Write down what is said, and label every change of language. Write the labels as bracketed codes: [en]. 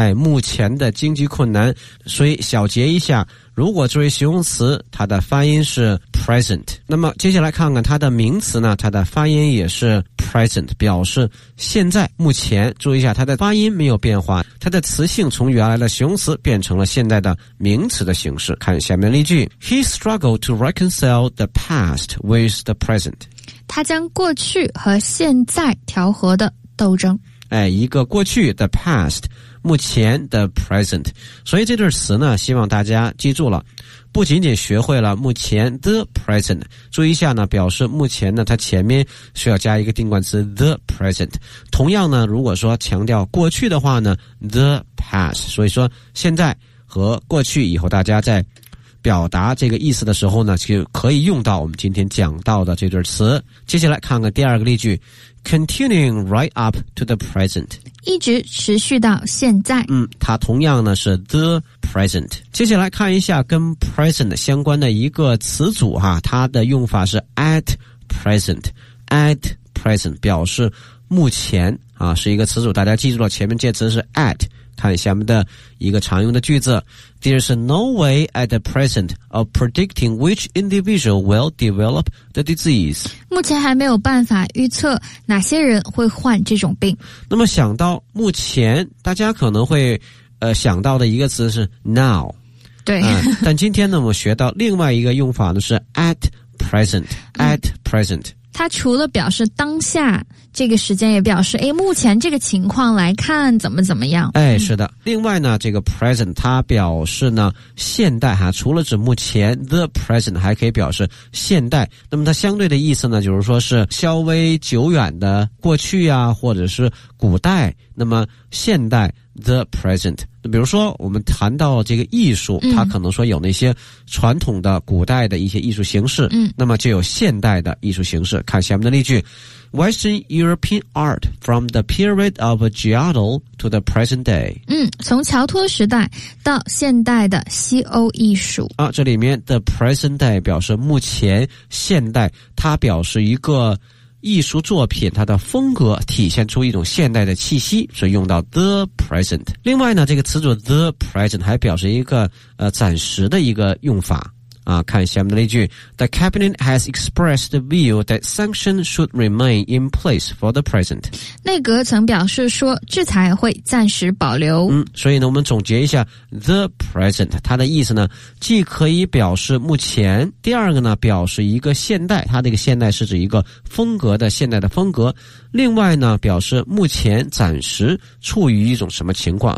[zh] 目前的经济困难。所以小结一下，如果作为形容词它的发音是 present, 那么接下来看看它的名词呢，它的发音也是 present, 表示现在目前。注意一下它的发音没有变化，它的词性从原来的形容词变成了现在的名词的形式。看下面例句， [en] He struggled to reconcile the past with the present, [zh] 他将过去和现在调和的斗争。一个过去 the past, 目前 the present, 所以这对词呢希望大家记住了，不仅仅学会了目前 the present, 注意一下呢，表示目前呢它前面需要加一个定冠词 the present, 同样呢如果说强调过去的话呢 the past, 所以说现在和过去，以后大家在表达这个意思的时候呢就可以用到我们今天讲到的这对词。接下来看看第二个例句， [en] Continuing right up to the present, [zh] 一直持续到现在。它同样呢是 the present。接下来看一下跟 present 相关的一个词组哈，它的用法是 at present。 at present 表示目前啊，是一个词组，大家记住了前面介词是 at。看下面的一个常用的句子， [en] There's no way at the present of predicting which individual will develop the disease. [zh] 目前还没有办法预测哪些人会患这种病。那么想到目前，大家可能会想到的一个词是 now。对。但今天呢我们学到另外一个用法呢是 at present。at present 它除了表示当下这个时间，也表示目前这个情况来看怎么怎么样。是的。另外呢这个 present 它表示呢现代哈，除了指目前 the present 还可以表示现代，那么它相对的意思呢就是说是稍微久远的过去啊，或者是古代，那么现代 the present。比如说我们谈到这个艺术，它可能说有那些传统的古代的一些艺术形式，那么就有现代的艺术形式。看下面的例句， [en] Western European art from the period of Giotto to the present day, [zh] 从乔托时代到现代的西欧艺术。这里面 the present day 表示目前，现代它表示一个艺术作品，它的风格体现出一种现代的气息，所以用到 the present。另外呢这个词组 the present 还表示一个暂时的一个用法啊。看下面的例句， [en] The cabinet has expressed the view that sanctions should remain in place for the present, [zh] 内阁曾表示说制裁会暂时保留。所以呢我们总结一下 the present, 它的意思呢既可以表示目前，第二个呢表示一个现代，它这个现代是指一个风格的现代的风格，另外呢表示目前暂时处于一种什么情况。